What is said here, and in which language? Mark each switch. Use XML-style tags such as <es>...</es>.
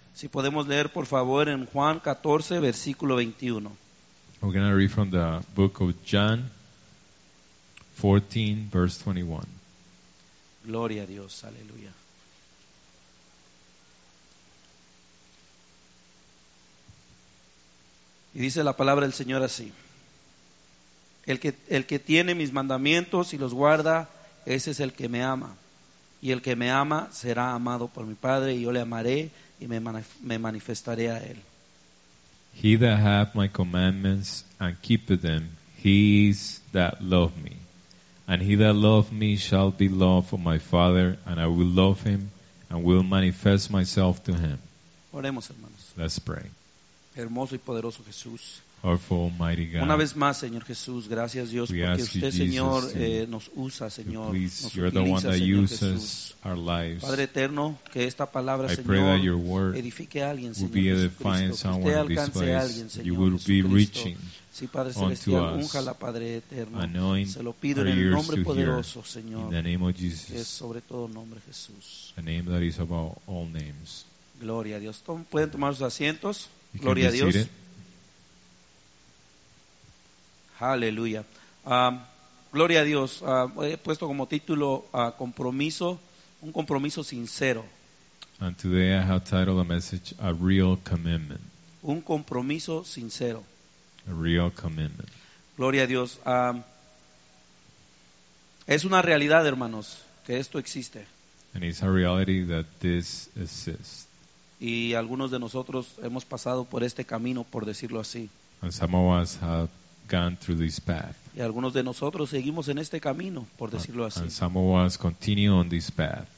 <es>Si podemos leer, por favor, en Juan 14, versículo 21.</es> <en>We're going to read from the book of John 14, verse 21.</en> <es>Gloria a Dios, aleluya. Y dice la palabra del Señor así: el que tiene mis mandamientos y los guarda, ese es el que me ama. Y el que me ama será amado por mi Padre, y yo le amaré y me manifestaré a él.</es> <en>He that hath my commandments and keepeth them, he is that love me. And he that love me shall be loved of my Father, and I will love him and will manifest myself to him.</en> <es>Oremos, hermanos.</es> <en>Let's pray.</en> <es>Hermoso y poderoso Jesús.</es> <en>God,</en> <es>una vez más, Señor Jesús, gracias Dios, porque usted,</es> <en>Jesus,</en> <es>Señor, nos usa, Señor.</es> <en>Please,</en> <es>nos utiliza, Señor Jesús.</es> <en>Our lives.</en> <es>Padre eterno, que esta palabra,</es> <en>I</en> <es>Señor, edifique a alguien, Señor Jesucristo. Que usted alcance a alguien, Señor Jesucristo. Sí, Padre celestial, úngala, Padre eterno. Se lo pido en el nombre poderoso, Señor.</es> <en>In the name of Jesus,</en> <es>que es sobre todo nombre, Jesús.</es> <en>A name that is about all names.</en> <es>Gloria a Dios. Pueden tomar sus asientos.</es> <en>You</en> <es>Gloria</es> <en>can</en> <es>a Dios. Aleluya. Gloria a Dios. He puesto como título compromiso, un compromiso sincero.</es> <en>And today I have titled the message a real commitment.</en> <es>Un compromiso sincero.</es> <en>A real commitment.</en> <es>Gloria a Dios. Es una realidad, hermanos, que esto existe.</es> <en>And it's a reality that this exists.</en> <es>Y algunos de nosotros hemos pasado por este camino, por decirlo así.</es> <en>And some of us have gone through this path.</en> <es>Y algunos de nosotros seguimos en este camino, por decirlo así.</es> <en>And some of us continue on this path.</en>